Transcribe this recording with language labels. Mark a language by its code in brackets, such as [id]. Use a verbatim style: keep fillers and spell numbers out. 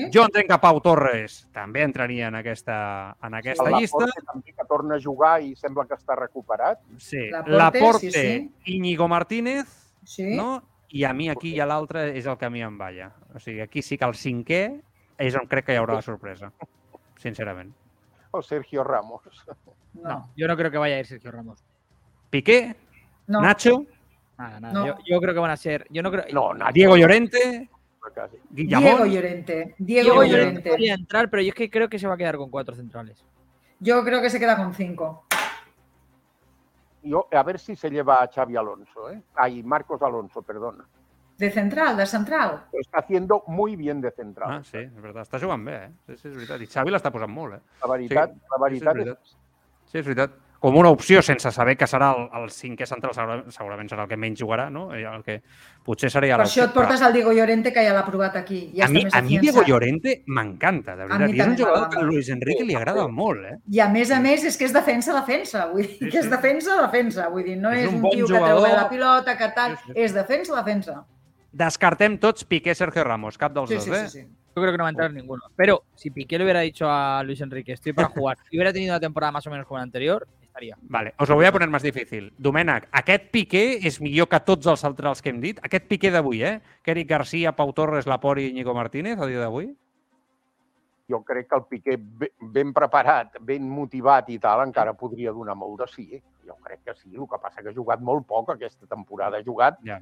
[ca] Jo entenc que Pau Torres també entraria en aquesta, en aquesta sí, llista. Laporte també que torna a jugar i sembla que està recuperat. Sí. Laporte, sí, sí. Íñigo Martínez, sí. No? I a mi aquí i a l'altre és el que a mi em balla. O sigui, aquí sí que el cinquè és on crec que hi haurà la sorpresa, sincerament. O Sergio Ramos. [es] No, no, yo no creo que vaya a ir Sergio Ramos. ¿Piqué? No. ¿Nacho? Nada, nada. No. Yo, yo creo que van a ser... Yo no creo... no, Nacho, Diego Llorente. Guillamón. Diego Llorente. Diego, Diego Llorente. Podría entrar, pero yo es que creo que se va a quedar con cuatro centrales. Yo creo que se queda con cinco. Yo, a ver si se lleva a Xavi Alonso, ¿eh? Ay, Marcos Alonso, perdona. De central, de central. Lo está haciendo muy bien de central. [ca] Ah, sí, és veritat. Està jugant bé, eh? Sí, sí, és veritat. I Xavi l'està posant molt, eh? La veritat, sí, la veritat sí, és, veritat. És... sí, és veritat. Com una opció, sense saber que serà el, el cinquè central, segurament serà el que menys jugarà, no? El que potser seria... Per això et portes al Diego Llorente, que ja l'ha provat aquí. Ja a mi, a mi Diego Llorente m'encanta, de veritat. I és un jugador que a Luis Enrique li agrada molt, eh? I a més a més, és que és defensa-defensa. Vull dir, que és defensa-defensa. Vull dir, no és, és un, un tio jugador... que treu bé la pilota, que tal... Sí, sí. És defensa-defensa. Descartem tots Piqué, Sergio Ramos, cap dels sí, dos, sí, ¿eh? Sí, sí. [es] Yo creo que no va a entrar ninguno. Pero si Piqué le hubiera dicho a Luis Enrique, estoy para jugar, y hubiera tenido una temporada más o menos como la anterior, estaría. Vale, os lo voy a poner más difícil. [ca] Domènec, aquest Piqué és millor que tots els centrals que hem dit? Aquest Piqué d'avui, eh? Eric Garcia, Pau Torres, Laporte i Íñigo Martínez, a dia d'avui? Jo crec que el Piqué ben preparat, ben motivat i tal, encara podria donar molt de sí, eh? Jo crec que sí, el que passa que ha jugat molt poc aquesta temporada. Ha jugat yeah.